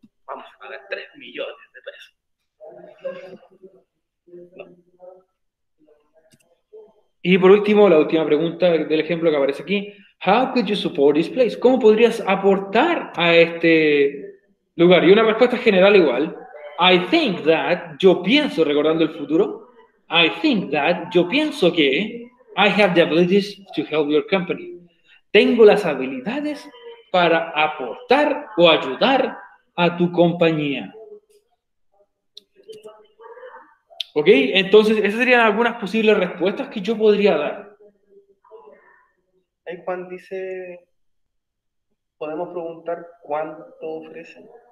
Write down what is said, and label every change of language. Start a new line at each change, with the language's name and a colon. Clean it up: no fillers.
Spanish: Vamos a pagar 3 millones de pesos. No. Y por último, la última pregunta del ejemplo que aparece aquí.
English: How could you support this place?
Spanish: ¿Cómo podrías aportar a este lugar? Y una respuesta general igual.
English: I think that,
Spanish: yo pienso, recordando el futuro,
English: I think that,
Spanish: yo pienso que
English: I have the abilities to help your company.
Spanish: Tengo las habilidades para aportar o ayudar a tu compañía. Ok, entonces esas serían algunas posibles respuestas que yo podría dar. Ahí Juan dice, ¿podemos preguntar cuánto ofrecen?